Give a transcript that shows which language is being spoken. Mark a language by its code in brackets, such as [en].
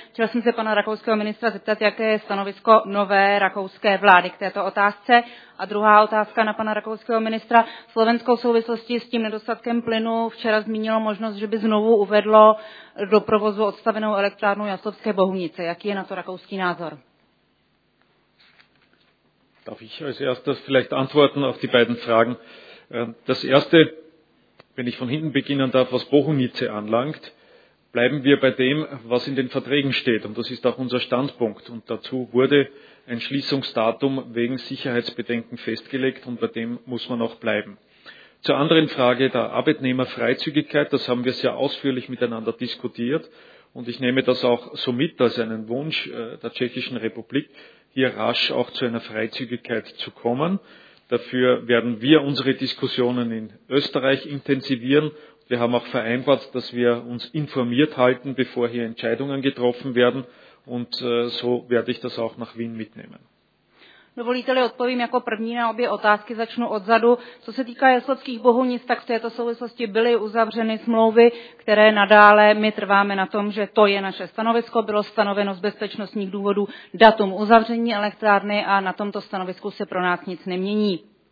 [cs] Chtěl jsem se pana rakouského ministra zeptat, jaké je stanovisko nové rakouské vlády k této otázce. A druhá otázka na pana rakouského ministra. Slovensko v souvislosti s tím nedostatkem plynu včera zmínilo možnost, že by znovu uvedlo do provozu odstavenou elektrárnu Jaslovské Bohunice. Jaký je na to rakouský názor? [de] Darf ich als erstes vielleicht antworten auf die beiden Fragen? Das erste, wenn ich von hinten beginnen darf, was Bohunice anlangt, bleiben wir bei dem, was in den Verträgen steht. Und das ist auch unser Standpunkt. Und dazu wurde ein Schließungsdatum wegen Sicherheitsbedenken festgelegt und bei dem muss man auch bleiben. Zur anderen Frage der Arbeitnehmerfreizügigkeit, das haben wir sehr ausführlich miteinander diskutiert und ich nehme das auch so mit als einen Wunsch der Tschechischen Republik, hier rasch auch zu einer Freizügigkeit zu kommen. Dafür werden wir unsere Diskussionen in Österreich intensivieren. Wir haben auch vereinbart, dass wir uns informiert halten, bevor hier Entscheidungen getroffen werden. Und so werde ich das auch nach Wien mitnehmen. [cs] Dovolíte-li, odpovím jako první na obě otázky, začnu odzadu. Co se týká Jaslovských Bohunic, tak v této souvislosti byly uzavřeny smlouvy, které nadále my trváme na tom, že to je naše stanovisko. Bylo stanoveno z bezpečnostních důvodů datum uzavření elektrárny a na tomto stanovisku se pro nás nic nemění.